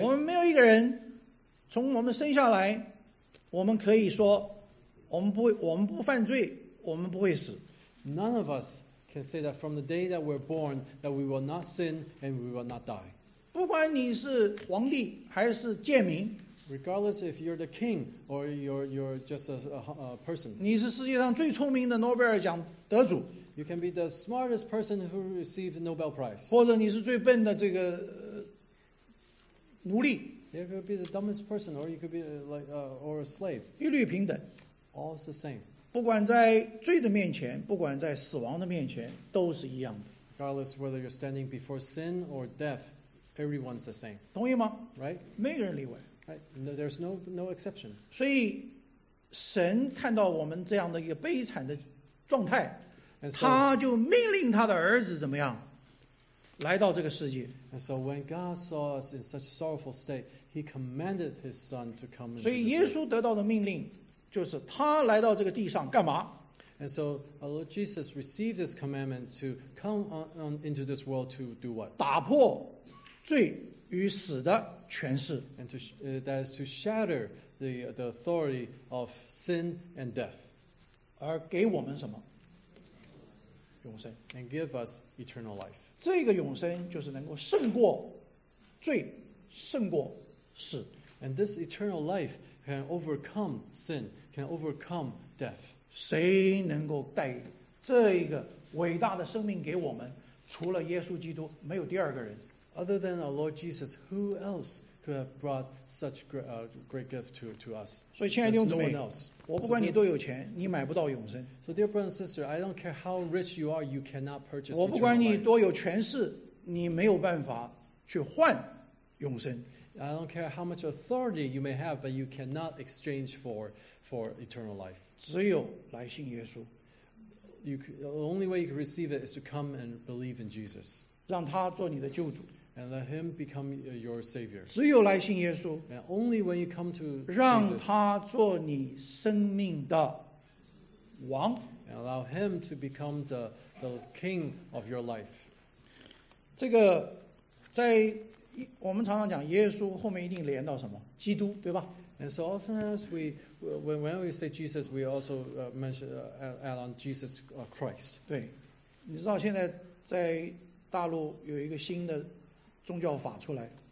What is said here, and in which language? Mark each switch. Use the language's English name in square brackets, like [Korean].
[Chinese] 我们没有一个人从我们生下来，我们可以说我们不犯罪，我们不会死。 [English] None of us can say that from the day that we're born that we will not sin and we will not die. [Chinese] 不管你是皇帝还是贱民。 [English] Regardless if you're the king or you're just a person. [Chinese] 你是世界上最聪明的诺贝尔奖得主。 [English] You can be the smartest person who received the Nobel Prize. [Chinese] 或者你是最笨的这个奴隶。 [English] You could be the dumbest person, or you could be like, or a slave. [Chinese] 一律平等。 [English] All is the same. [Chinese] 不管在罪的面前，不管在死亡的面前，都是一样的。 [English] Regardless whether you're standing before sin or death, everyone's the same. [Chinese] 同意吗？ [English] Right? [Chinese] 每个人例外。 [English] No, there's no exception. [Chinese] 所以神看到我们这样的一个悲惨的状态， [English] so, [Chinese] 他就命令他的儿子怎么样来到这个世界。 [English] And so when God saw us in such sorrowful state, he commanded his son to come into the world. [Chinese] 所以耶稣得到的命令就是他来到这个地上干嘛。 [English] And so our Lord Jesus received his commandment to come on into this world to do what? [Chinese] 打破罪与死的权势。 [English] And to, that is to shatter the authority of sin and death. [Chinese] 而给我们什么？永生。 [English] And give us eternal life. [Chinese] 这个永生就是能够胜过罪，胜过死。 [English] And this eternal life can overcome sin, can overcome death. [Chinese] 谁能够带这个伟大的生命给我们？除了耶稣基督，没有第二个人。 [English] Other than our Lord Jesus, who else could have brought such great gift to us? [Chinese] So, 亲爱的弟兄姊妹, [English] no one else. [Chinese] 我不管你多有钱, 你买不到永生。 [English] So, dear brother and sister, I don't care how rich you are, you cannot purchase eternal life. [Chinese] 我不管你多有权势, 你没有办法去换永生。 [English] I don't care how much authority you may have, but you cannot exchange for eternal life. [Chinese] 只有来信耶稣。 [English] The only way you can receive it is to come and believe in Jesus. [Chinese] 让他做你的救主。 [English] And let him become your savior. [Chinese] 只有来信耶稣。 [English] And only when you come to Jesus. [Chinese] 让他做你生命的王。 [English] And allow him to become the king of your life. [Chinese] 这个在我们常常讲耶稣后面一定连到什么？基督，对吧？ [English] And so often as we, when we say Jesus, we also add on Jesus Christ. [Chinese] 对。你知道现在在大陆有一个新的宗教法出来。